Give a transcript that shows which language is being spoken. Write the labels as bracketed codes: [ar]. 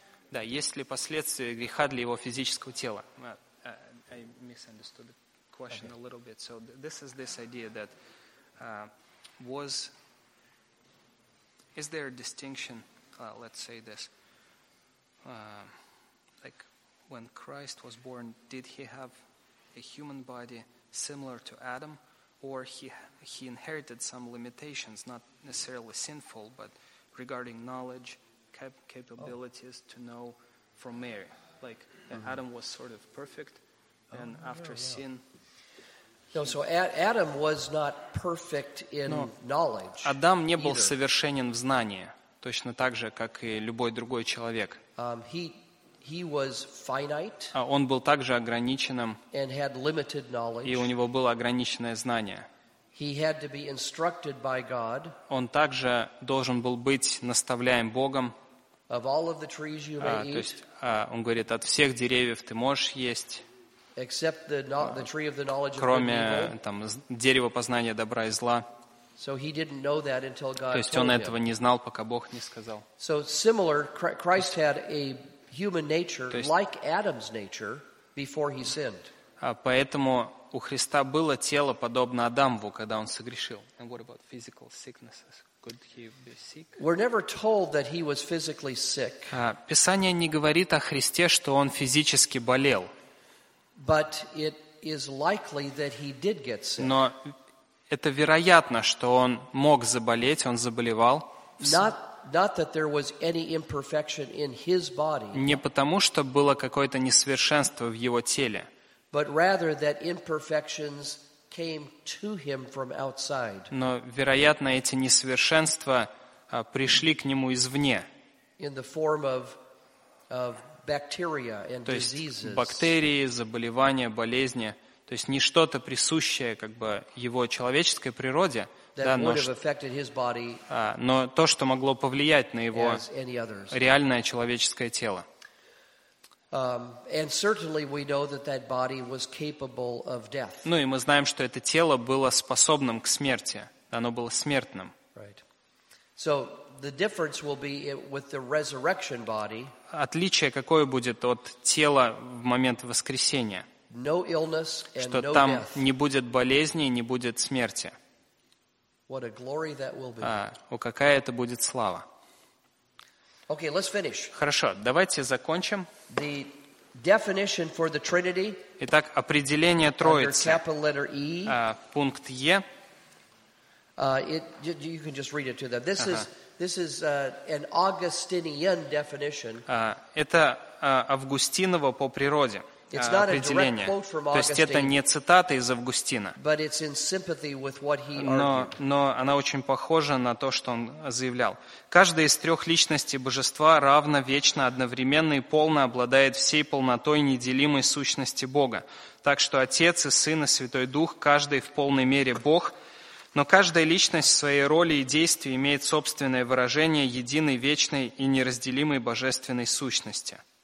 [ru] Да, есть ли последствия греха для его физического тела? [en] I misunderstood the question a little bit. So this is this idea that was Is there a distinction, let's say this, like when Christ was born, did he have a human body similar to Adam, or he inherited some limitations, not necessarily sinful, but regarding knowledge, capabilities to know from Mary? Like Adam was sort of perfect, and sin... No, so Adam was not perfect in knowledge. [ru] Адам не был совершенен в знании, точно так же, как и любой другой человек. [en] He was finite. [ru] Он был также ограниченным. [en] And had limited knowledge. [ru] И у него было ограниченное знание. [en] He had to be instructed by God. [ru] Он также должен был быть наставляем Богом. [en] Of all of the trees you may eat. [ru] То есть, он говорит, от всех деревьев ты можешь есть. [en] Except the tree of the knowledge of good and evil. [ru] Кроме там дерева познания добра и зла. [en] So he didn't know that until God. [ru] То есть он этого не знал, пока Бог не сказал. [en] So similar, Christ had a human nature like Adam's nature before he sinned. [ru] Поэтому у Христа было тело подобно Адаму, когда он согрешил. [en] And what about physical sicknesses? Could he be sick? We're never told that he was physically sick. [ru] Писание не говорит о Христе, что он физически болел. [en] But it is likely that he did get sick. [ru] Но это вероятно, что он мог заболеть, он заболевал. [en] Not that there was any imperfection in his body. [ru] Не потому, что было какое-то несовершенство в его теле. [en] But rather that imperfections came to him from outside. [ru] Но вероятно, эти несовершенства пришли к нему извне. [en] In the form of Bacteria and [ru] То есть бактерии, заболевания, болезни, то есть не что-то присущее как бы его человеческой природе, да, но то, что могло повлиять на его реальное человеческое тело. [en] And certainly we know that that body was capable of death. [ru] Ну и мы знаем, что это тело было способным к смерти, оно было смертным. [en] Right. So the difference will be with the resurrection body. [ru] Отличие какое будет от тела в момент воскресения? [en] No illness and no death. [ru] Что там не будет болезни, не будет смерти. [en] What a glory that will be. [ru] О, какая это будет слава. [en] Okay, let's finish. [ru] Хорошо, давайте закончим. [en] The Definition for the Trinity. [ru] Итак, определение Троицы. [en] Under capital letter E. [ru] Пункт Е. [en] You can just read it to them. This is an Augustinian definition. [ru] Это Августиново по природе. [en] It's not a direct quote from Augustine. [ru] То есть это не цитата из Августина. [en] But it's in sympathy with what he argued. [ru] Но она очень похожа на то, что он заявлял. Каждая из трех личностей Божества равна, вечна, одновременно и полно обладает всей полнотой неделимой сущности Бога. Так что Отец и Сын и Святой Дух, каждый в полной мере Бог. Но каждая личность в своей роли и действии имеет собственное выражение единой, вечной и неразделимой божественной сущности.